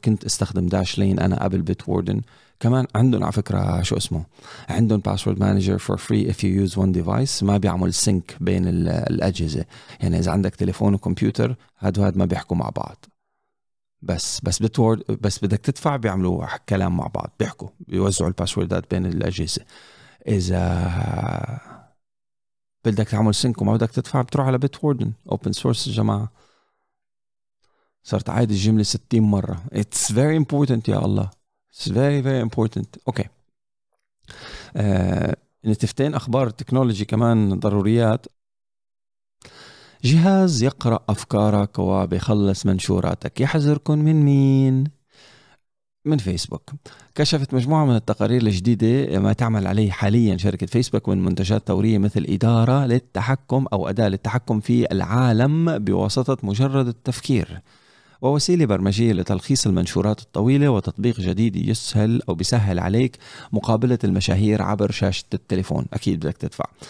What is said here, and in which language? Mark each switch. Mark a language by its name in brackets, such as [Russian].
[Arabic] كنت استخدم داش لين أنا قبل بيت ووردن. كمان عندهم على فكرة شو اسمه عندهم [English] password manager for free if you use one device. [Arabic] ما بيعمل [English] sync [Arabic] بين الأجهزة يعني إذا عندك تليفون وكمبيوتر هاد وهاد ما بيحكوا مع بعض بس بتورد بس بدك تدفع بيعملوا كلام مع بعض بيحكوا بيوزعوا الباسوردات بين الأجهزة. إذا بدك تعمل سينك وما بدك تدفع بتروح على بيتوردن open source. جماعة صرت عايد الجملة 60 مرة. [English] it's very important [Arabic] يا الله [English] it's very very important. okay [Arabic] نتفتين أخبار تكنولوجي كمان ضروريات. جهاز يقرأ أفكارك وبيخلص منشوراتك يحذركم من مين؟ من فيسبوك. كشفت مجموعة من التقارير الجديدة ما تعمل عليه حاليا شركة فيسبوك من منتجات ثورية مثل إدارة للتحكم أو أداة للتحكم في العالم بواسطة مجرد التفكير ووسيلة برمجية لتلخيص المنشورات الطويلة وتطبيق جديد يسهل أو بيسهل عليك مقابلة المشاهير عبر شاشة التليفون. أكيد بدك تدفع.